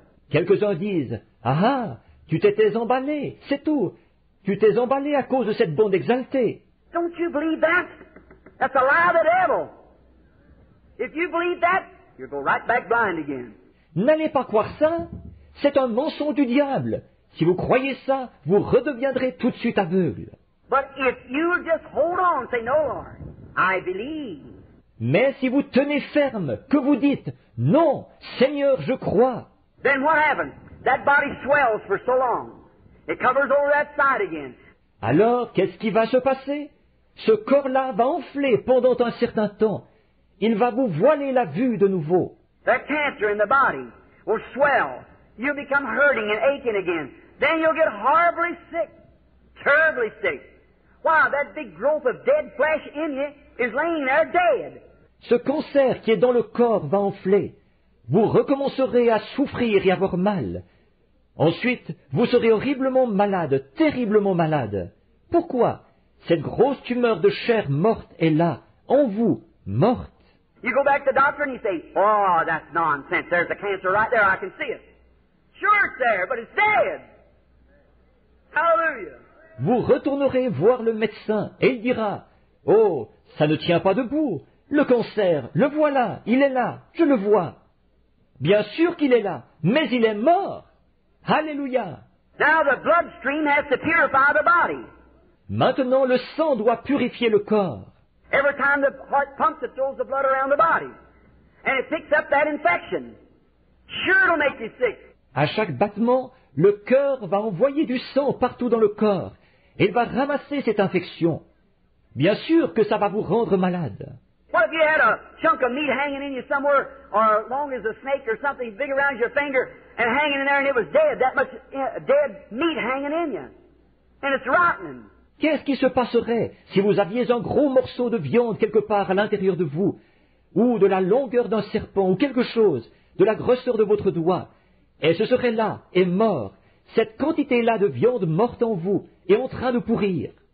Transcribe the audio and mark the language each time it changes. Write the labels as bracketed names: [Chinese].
[French] Quelques-uns disent, « Ah ah, tu t'étais emballé, c'est tout. Tu t'es emballé à cause de cette bande exaltée. » [English] Don't you believe that? That's a lie of the devil. If you believe that, you'll go right back blind again. [French] N'allez pas croire ça. C'est un mensonge du diable. Si vous croyez ça, vous redeviendrez tout de suite aveugle. [English] But if you just hold on, say, no, Lord, I believe. [French] Mais si vous tenez ferme, que vous dites, « Non, Seigneur, je crois. » [English] Then what happens? That body swells for so long. It covers over that side again. [French] Alors, qu'est-ce qui va se passer? Ce corps-là va enfler pendant un certain temps. Il va vous voiler la vue de nouveau. [English] That cancer in the body will swell. You'll become hurting and aching again. Then you'll get horribly sick, terribly sick. Wow, that big growth of dead flesh in you is laying there dead. [French] Ce cancer qui est dans le corps va enfler. Vous recommencerez à souffrir et avoir mal. Ensuite, vous serez horriblement malade, terriblement malade. Pourquoi? Cette grosse tumeur de chair morte est là, en vous, morte. [English] You go back to the doctor and you say, oh, that's nonsense. There's a cancer right there, I can see it. Sure it's there, but it's dead. Hallelujah. [French] Vous retournerez voir le médecin et il dira, oh, ça ne tient pas debout. Le cancer, le voilà, il est là, je le vois. Bien sûr qu'il est là, mais il est mort. Alléluia. [English] Now the bloodstream has to purify the body. [French] Maintenant, le sang doit purifier le corps. [English] Every time the heart pumps, it throws the blood around the body. And it picks up that infection. Sure it'll make you sick. [French] À chaque battement, le cœur va envoyer du sang partout dans le corps. Elle va ramasser cette infection. Bien sûr que ça va vous rendre malade. [English] What if you had a chunk of meat hanging in you somewhere, or as long as a snake or something big around your finger, and hanging in there and it was dead, that much dead meat hanging in you. And it's rotten. [French] Qu'est-ce qui se passerait si vous aviez un gros morceau de viande quelque part à l'intérieur de vous, ou de la longueur d'un serpent, ou quelque chose, de la grosseur de votre doigt, et ce serait là, et mort, cette quantité-là de viande morte en vous, et en train de pourrir.